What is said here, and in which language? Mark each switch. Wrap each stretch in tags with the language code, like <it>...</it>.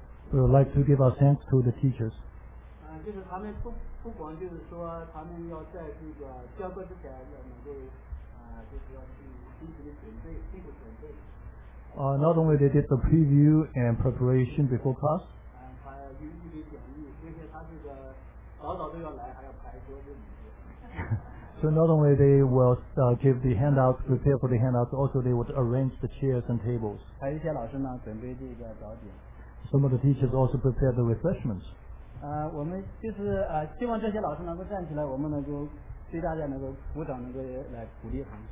<en>We would like to give our thanks to the teachers.</en> <zh>就是他们不光就是说他们要在这个教课之前要能够就是要去进行准备，进行准备。</zh> <en>Not only they did the preview and preparation before class.</en> <zh>他有预备讲义，并且他这个早都要来，还要排桌子。</zh> <en>So not only they will give the handouts, prepare for the handouts, also they would arrange the chairs and tables.</en> <zh>还有一些老师呢，准备这个早点。</zh> <en>Some of the teachers also prepare the refreshments.</en> <zh>我们就是希望这些老师能够站起来，我们能够对大家能够鼓掌，能够来鼓励他们。</zh>